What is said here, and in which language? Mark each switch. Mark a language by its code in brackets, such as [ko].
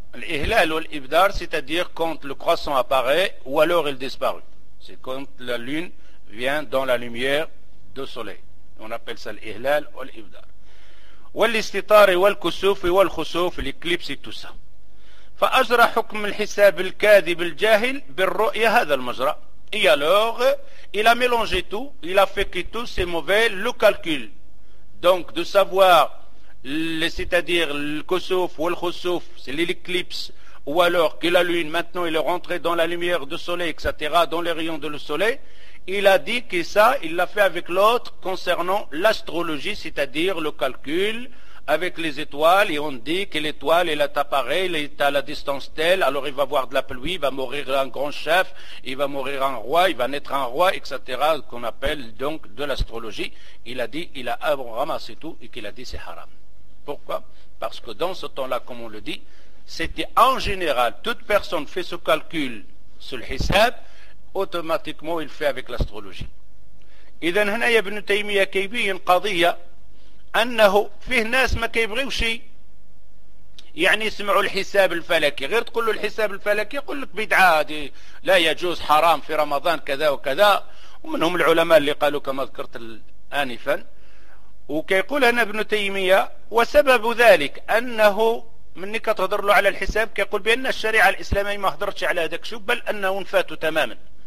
[fr] L'ihlal ou l'ibdar, c'est-à-dire quand le croissant apparaît, ou alors il disparaît. C'est quand la lune vient dans la lumière du soleil. On appelle ça l'ihlal ou l'ibdar. [ar] والاستطار والكسوف والخسوف الإكليبس تسا. فأجرى حكم الحساب الكاذب الجاهل بالرؤية هذا المجرى. [fr] Et alors, il a mélangé tout, il a fait que tout c'est mauvais, le calcul. Donc, de savoir, c'est-à-dire le Kosouf ou le Khosouf, c'est l'éclipse, ou alors que la lune, maintenant, il est rentré dans la lumière du soleil, etc., dans les rayons de le soleil, il a dit que ça, il l'a fait avec l'autre concernant l'astrologie, c'est-à-dire le calcul avec les étoiles, et on dit que l'étoile, elle est à pareil, elle est à la distance telle, alors il va avoir de la pluie, il va mourir un grand chef, il va mourir un roi, il va naître un roi, etc., qu'on appelle donc de l'astrologie. Il a dit, il a ramassé tout, et qu'il a dit c'est haram. Pourquoi? Parce que dans ce temps-là, comme on le dit, c'était en général, toute personne fait ce calcul sur le hisab, automatiquement il fait avec l'astrologie. [ar] Idan hana ibn Taymiyyah kaybi une qadiya. أنه فيه ناس ما كيبغيو شيء يعني يسمعوا الحساب الفلكي غير تقول له الحساب الفلكي يقول لك بدعة لا يجوز حرام في رمضان كذا وكذا ومنهم العلماء اللي قالوا كما ذكرت آنفا وكيقول هنا ابن تيمية وسبب ذلك أنه مني كتهضر له على الحساب كيقول بأن الشريعة الإسلامية ما هضرتش على هذاك شو بل أنه انفاتوا تماما